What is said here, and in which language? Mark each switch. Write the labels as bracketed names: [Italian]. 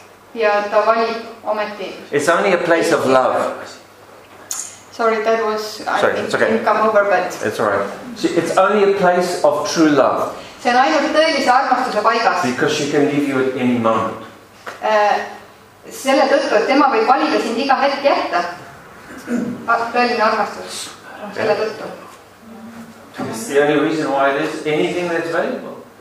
[Estonian] Ja ta vali ometi. [English] It's only a place of love. Sorry, that was didn't come over, but it's all right. See, it's only a place of true love. [Estonian] See on ainult tõelise armastuse paigas. [English] Because she can leave you at any moment. [Estonian] Selle tõttu, et tema võib valida sind iga hetk jätta. Tõeline armastus selle tõttu. [English] It's the only reason why there's anything that's valuable.